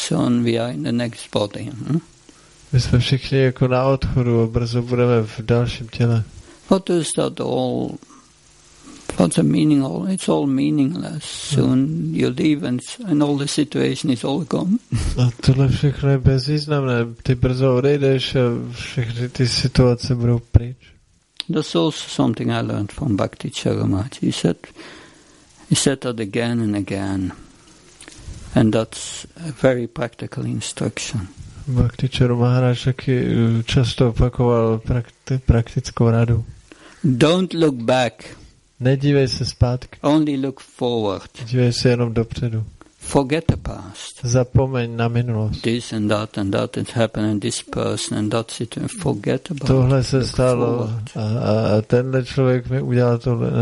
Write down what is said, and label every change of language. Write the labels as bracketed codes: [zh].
[en] Soon we are in the next body. Hm? [cs] My jsme všichni jako na odchodu a brzo budeme v dalším těle. [en] What is that all? What's the meaning? All it's all meaningless. Soon you leave, and all the situation is all gone. [cs] A tohle všechno je bezvýznamné. Ty brzo odejdeš a všechny ty situace budou pryč. [en] That's also something I learned from Bhakti Charamati. He said that again and again, and that's a very practical instruction. [cs] Bhakti Charamati taky často opakoval praktickou radu. [en] Don't look back. [cs] Nedívej se zpátky. [en] Only look forward. [cs] Dívej se jenom dopředu. [en] Forget the past. [cs] Zapomeň na minulost. [en] This and that has happened and this person and that situation. Forget about. [cs] Tohle se stalo a tenhle člověk mi udělal tohle.